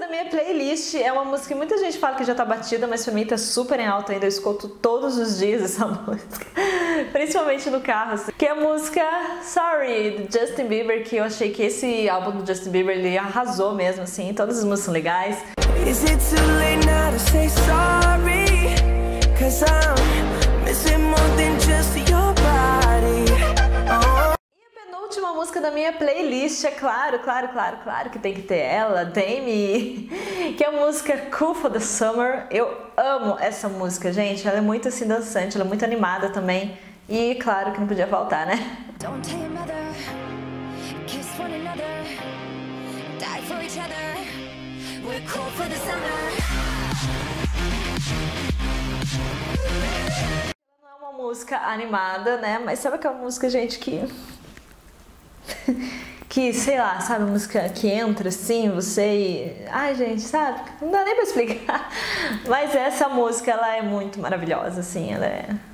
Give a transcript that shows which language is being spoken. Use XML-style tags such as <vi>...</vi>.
<pt>Playlist é uma música que muita gente fala que já tá batida, mas pra mim tá super em alta ainda. Eu escuto todos os dias essa música, principalmente no carro. Assim. Que é a música Sorry, do Justin Bieber, que eu achei que esse álbum do Justin Bieber ele arrasou mesmo, assim. Todas as músicas são legais.</pt> <en>Is it too late now to say sorry? Cause I'm missing more than just your body.</en> <pt>Última música da minha playlist, é claro, claro, claro, claro que tem que ter ela, Demi, que é a música Cool for the Summer. Eu amo essa música, gente. Ela é muito assim dançante, ela é muito animada também. E claro que não podia faltar, né?</pt> <en>Don't tell your mother, kiss one another, die for each other, we're cool for the summer.</en> <pt>Não é uma música animada, né? Mas sabe aquela música, gente, que. Que, sei lá, sabe, música que entra assim, você e. Ai, gente, sabe? Não dá nem pra explicar. Mas essa música, ela é muito maravilhosa, assim, ela é.</pt>